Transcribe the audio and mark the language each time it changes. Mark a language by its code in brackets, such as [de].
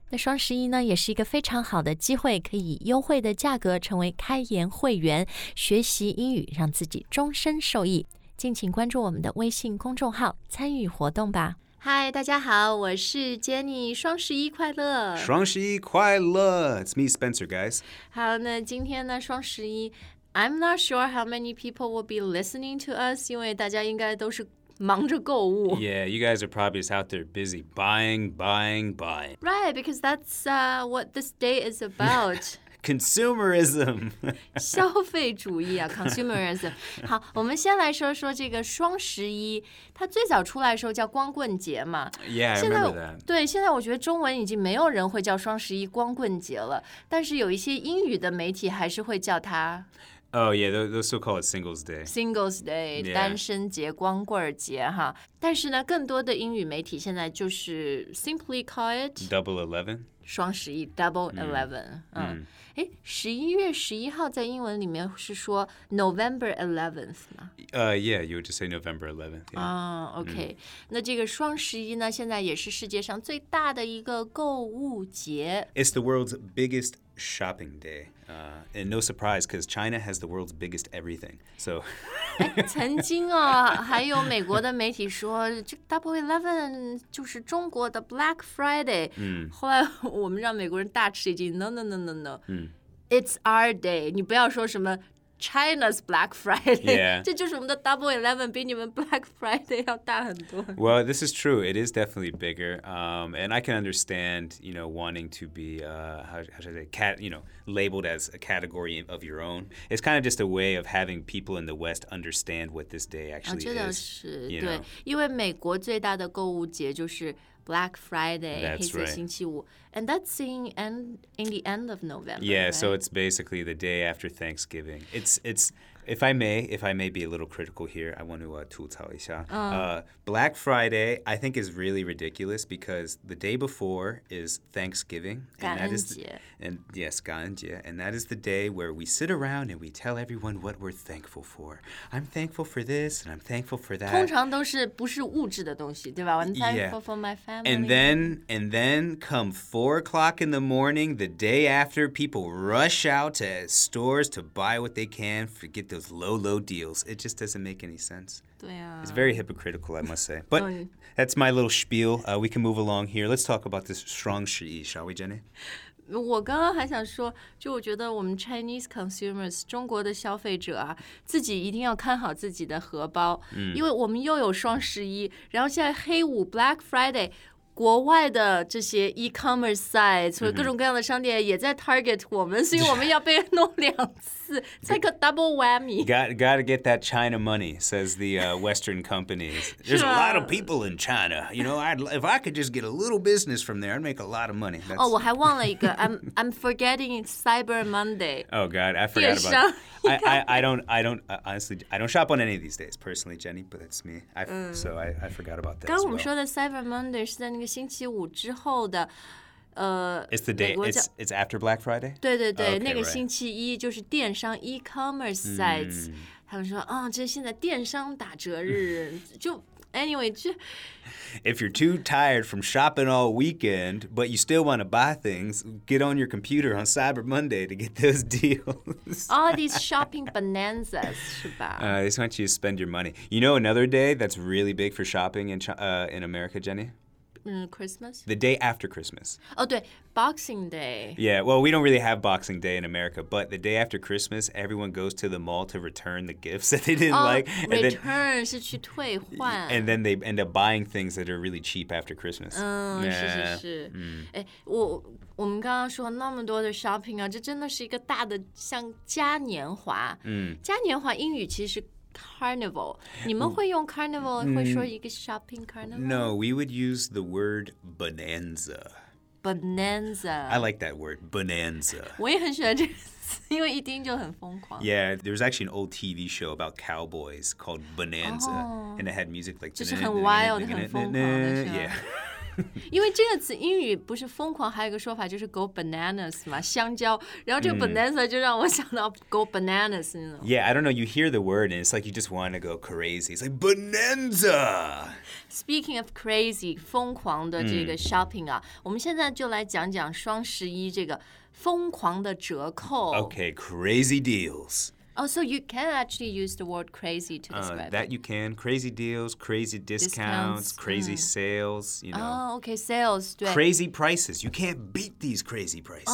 [zh] 那双十一呢，也是一个非常好的机会，可以以优惠的价格成为开言会员，学习英语让自己终身受益。敬请关注我们的微信公众号参与活动吧。嗨，大家好，我是 Jenny， 双十一快乐！双十一快乐 [en] ！It's me, Spencer, guys. [zh] 好，那今天呢，双十一 ， [en] I'm not sure how many people will be listening to us， [zh] 因为大家应该都是忙着购物。 [en] Yeah, you guys are probably just out there busy buying, buying, buying. Right, because that's what this day is about. Consumerism. [zh] 消费主义啊 ,consumerism. 好，我们先来说说这个双十一，它最早出来的时候叫光棍节嘛。 [en] Yeah, I remember that. [zh] 对，现在我觉得中文已经没有人会叫双十一光棍节了，但是有一些英语的媒体还是会叫它。 [en] Oh yeah, they'll still call it Singles Day. Singles Day,、 yeah. [zh] 单身节、光棍节哈。但是呢，更多的英语媒体现在就是 simply call it... [en] Double Eleven. [zh] 双十一 ,Double Eleven. 11月11号在英文里面是说 November 11th 吗？ [en] Yeah, you would just say November 11th. 啊、 yeah. [zh] ,OK.、那这个双十一呢，现在也是世界上最大的一个购物节。 [en] It's the world's biggest shopping day.、and no surprise, because China has the world's biggest everything. So... [zh] 曾经啊、哦、还有美国的媒体说这 Double Eleven 就是中国的 Black Friday、后来我们让美国人大吃一惊 No. [en] It's our day [zh] 你不要说什么 [en] China's Black Friday、 yeah. [zh] 这就是我们的 Double Eleven 比你们 Black Friday 要大很多 [en] Well, this is true, it is definitely bigger、and I can understand, you know, wanting to be、how should I say, labeled as a category of your own. It's kind of just a way of having people in the West understand what this day actually is. [zh] 真的是对，因为美国最大的购物节就是 Black Friday, 黑色星期五。 [en] And that's in the end of November. Yeah, right? So it's basically the day after Thanksgiving. It's if I may be a little critical here, I want to [zh] 吐槽一下。 [en] Black Friday, I think, is really ridiculous because the day before is Thanksgiving. [zh] 感恩节。感恩节。 [en] And that is the day where we sit around and we tell everyone what we're thankful for. I'm thankful for this and I'm thankful for that. [zh] 通常都是不是物质的东西，对吧？ [en] I'm thankful、 yeah. for my family. And then come4 o'clock in the morning, the day after, people rush out to stores to buy what they can, forget those low, low deals. It just doesn't make any sense. [zh] 对啊。 [en] It's very hypocritical, I must say. But that's my little spiel.、we can move along here. Let's talk about this 双十一, shall we, Jenny? [zh] 我刚刚还想说，就我觉得我们 [en] Chinese consumers, [zh] 中国的消费者啊，自己一定要看好自己的荷包、因为我们又有双十一，然后现在黑五 Black Friday,国外的这些 e-commerce sites 或者各种各样的商店也在 target 我们、所以我们要被弄两次 [en] It's like a double whammy Gotta get that China money says the、western companies There's a lot of people in China You know, if I could just get a little business from there I'd make a lot of money、 That's... [zh] 我还忘了一个 [en] I'm forgetting Cyber Monday Oh God, I forgot about it I don't shop on any of these days, personally, Jenny, but that's me.、so I forgot about that [zh] 刚我们说的 Cyber Monday 是在那个星期五之后的、 [en] It's the day, it's after Black Friday? [zh] 对对对、 [en] oh, okay, [zh] 那个星期一就是电商 e-commerce sites、他们说、这现在电商打折日就 anyway, 就 [en] If you're too tired from shopping all weekend, but you still want to buy things, get on your computer on Cyber Monday to get those deals. All these shopping bonanzas, [zh] 是吧? [en] They just want you to spend your money. You know another day that's really big for shopping in America, Jenny? Christmas? The day after Christmas. Oh, 对, Boxing Day. Yeah, well, we don't really have Boxing Day in America, but the day after Christmas, everyone goes to the mall to return the gifts that they didn't like. And return, [zh] 是去退换。 [en] And then they end up buying things that are really cheap after Christmas. [zh] 是是是。我们刚刚说那么多的 shopping 啊，这真的是一个大的像嘉年华。嘉年华英语其实Carnival. 你们会用 carnival 会说一个 shopping carnival? [en] No, we would use the word bonanza. Bonanza. I like that word, bonanza. [zh] 我也很喜欢这个词，因为一听就很疯狂。 [en] Yeah, there was actually an old TV show about cowboys called Bonanza, and it had music like... [zh] 就是很 wild, 很疯狂的 [en] Yeah. [zh] 因为这个词英语不是疯狂还有一个说法就是 go bananas 嘛香蕉然后这个 banana 就让我想到 go bananas、mm. [en] you know? Yeah I don't know you hear the word and it's like you just want to go crazy it's like bonanza Speaking of crazy [zh] 疯狂的这个 [en] shopping 啊、mm. [zh] 我们现在就来讲讲双十一这个疯狂的折扣 [en] Okay crazy deals Oh so you can actually use the word crazy to describe That you can crazy deals crazy discounts crazy sales you know Oh okay sales crazy prices you can't beat these crazy prices